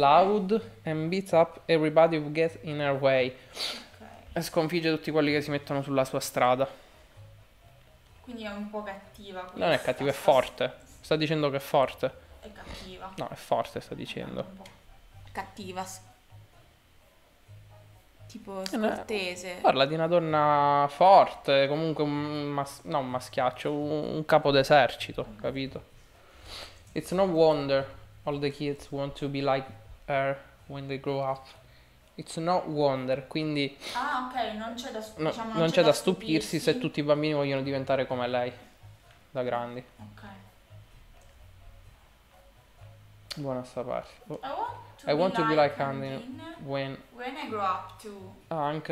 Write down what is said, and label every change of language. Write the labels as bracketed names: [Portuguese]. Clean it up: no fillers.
[English] Loud, and beats up everybody who gets in her way. Okay. [Italian] E sconfigge tutti quelli che si mettono sulla sua strada. Quindi è un po' cattiva questa. Non è cattiva, è forte. Sta dicendo che è forte. È cattiva. No, è forte, sta dicendo. Cattiva. Tipo scortese. Parla di una donna forte, comunque un maschiaccio, un capo d'esercito, capito? [English] It's no wonder all the kids want to be like her when they grow up. It's no wonder, [Italian] quindi... Ah, ok, non c'è da stupirsi se tutti i bambini vogliono diventare come lei, da grandi. Ok. Buona sta parte. [English] I want to be like Andy when I grow up too. [Italian] Ah, anche